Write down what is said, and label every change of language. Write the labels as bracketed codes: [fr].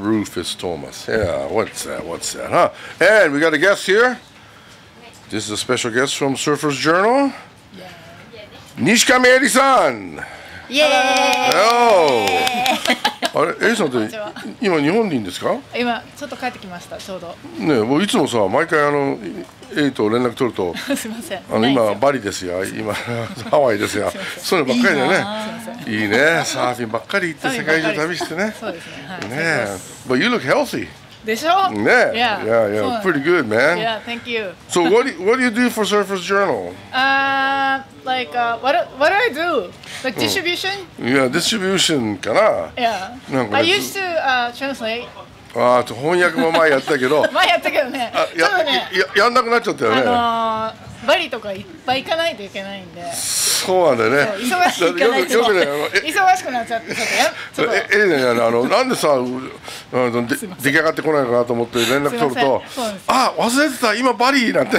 [en] Rufus Thomas. Yeah, what's that? What's that, huh? And we got a guest here. This is a special guest from Surfer's Journal. Yeah. Nishka Meri-san. Yay! Hello! Eri-san, you're in Japan, right? I'm just coming back, just about. Well, every time, [ja] Eri-san, あの、今、バリですよ。今、ハワイですよ。そういうのばっかりだね。いいね。サーフィンばっかり行って、世界中旅してね。そうですね。ねえ。 [en] But you look healthy. [ja] でしょ？ねえ。 [en] Yeah, yeah, yeah. Pretty good, man. Yeah, thank you. So what do you do for Surfer's Journal? What do I do? Like distribution? Yeah, distribution [ja] かな。 [en] Yeah. I used to translate. [ja] あと翻訳も前やったけど前やったけどね、ちょっとね やんなくなっちゃったよね。バリとかいっぱい行かないといけないんで。そうなんだよね。忙しく行かないと、ね、忙しくなっちゃって。ちょっとね、なんでさ、出来上がってこないかなと思って連絡取ると、あ、忘れてた、今バリなんて。